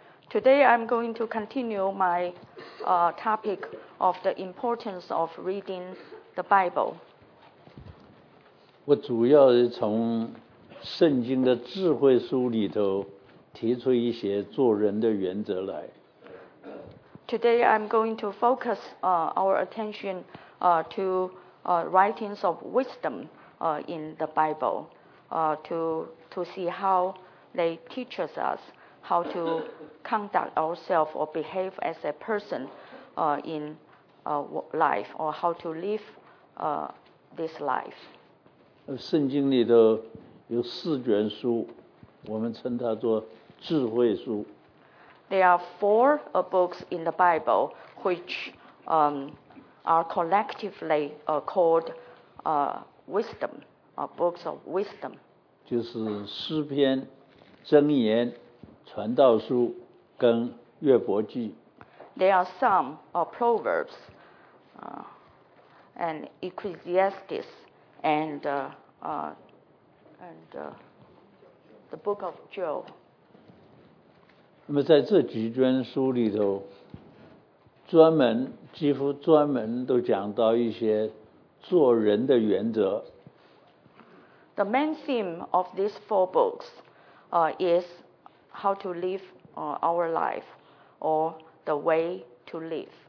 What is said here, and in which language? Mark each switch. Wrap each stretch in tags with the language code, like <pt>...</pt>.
<en>Today I'm going to continue my topic of the importance of reading the Bible.</en> <zh>我主要是从圣经的智慧书里头提出一些做人的原则来.</zh> <en>Today I'm going to focus our attention to writings of wisdom in the Bible to see how they teach us how to conduct ourselves or behave as a person in life or how to live this life.</en> <zh>圣经里头有四卷书, 我们称它做智慧书。</zh> <en>There are four books in the Bible which are collectively called wisdom, books of wisdom.</en> <zh>就是诗篇, 箴言, 传道书, 跟约伯记。</zh> <en>There are some Proverbs and Ecclesiastes and the book of Job.</en> <zh>那么在这几卷书里头, 专门, 几乎专门都讲到一些做人的原则。</zh> <en>The main theme of these four books is how to live our life or the way to live.</en>